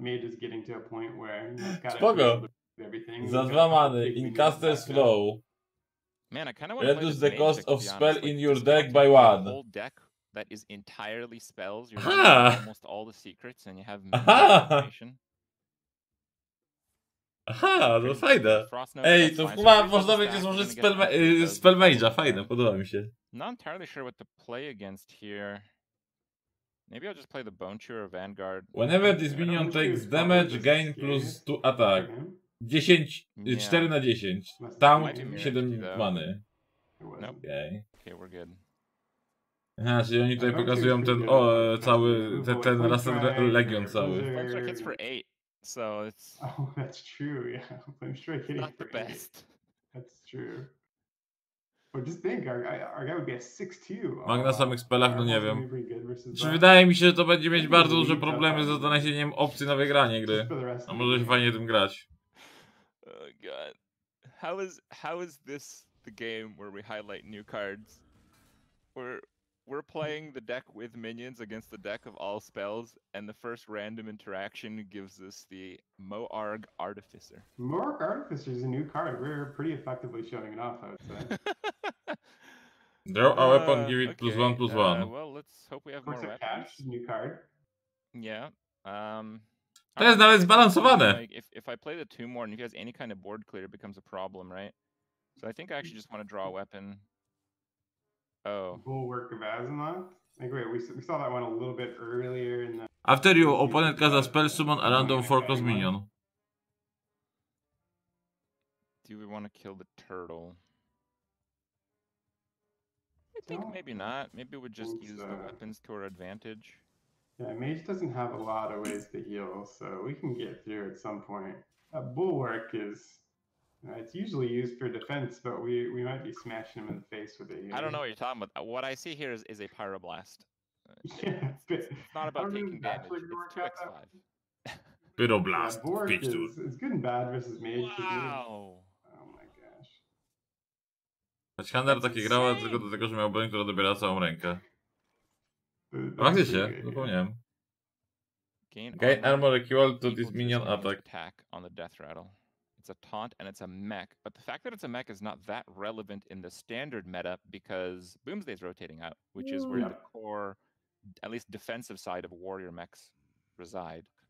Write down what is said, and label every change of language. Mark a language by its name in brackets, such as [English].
[English] Mage is getting to a point where you've got to everything. [Polish] Spoko. Za dwa many. Incaster's flow. [English] Man, I kind of reduce the cost of spell in your deck by 1. That is entirely spells. You're getting almost all the secrets, and you have information. [Polish] Aha, to fajne. Ej, to chyba można będzie złożyć spell mage'a. Fajne, podoba mi się. [English] Not entirely sure what to play against here. Maybe I'll just play the Bone Chewer or Vanguard. Whenever this minion takes damage, gain plus 2 attack. [Polish] 10, 4 na 10. Taunt, 7 many. [English] Okay, we're good. [Polish] Aha, czyli oni tutaj pokazują ten cały, ten Rasen Legion cały. [English] Flamestrike hits for 8, so it's... Oh, that's true, yeah. Flamestrike hitting not the best. That's true. But just think, our guy would be a 6-2. [Polish] Mag na samych spelach, no nie wiem. Czy wydaje mi się, że to będzie mieć bardzo duże problemy ze znalezieniem opcji na wygranie gry. A może się fajnie tym grać. [English] Oh god. How is this the game where we highlight new cards? We're playing the deck with minions against the deck of all spells, and the first random interaction gives us the Moarg Artificer. Moarg Artificer is a new card. We're pretty effectively showing it off, I would say. Draw a weapon, give it plus one, plus one. Well, let's hope we have more weapons. Cash, new card. Yeah. [Polish] To jest nawet zbalansowane! [English] If I play the two more, and if he has any kind of board clear, it becomes a problem, right? So I think I actually just want to draw a weapon. Oh. Bulwark of Azamoth? Like, wait, we saw that one a little bit earlier in the... After you, opponent casts a spell, summon a random 4-cost minion. Do we want to kill the turtle? I think maybe not. Maybe we just use the weapons to our advantage. Yeah, Mage doesn't have a lot of ways to heal, so we can get through at some point. A Bulwark is... It's usually used for defense, but we might be smashing him in the face with it. I don't know what you're talking about. What I see here is a pyroblast. Yeah, it's not about taking damage. It's 2x5. Pyroblast. Yeah, it's good and bad versus mage. Wow. Oh my gosh. [Polish] Chandar taki grał tylko do tego, że miał broń, która dobiera całą rękę. Właśnie się, zapomniałem. [English] Gain armor equal to this minion attack on the death rattle. It's a taunt and it's a mech, but the fact that it's a mech is not that relevant in the standard meta because Boomsday is rotating out, which is where the core, at least defensive side of warrior mechs reside.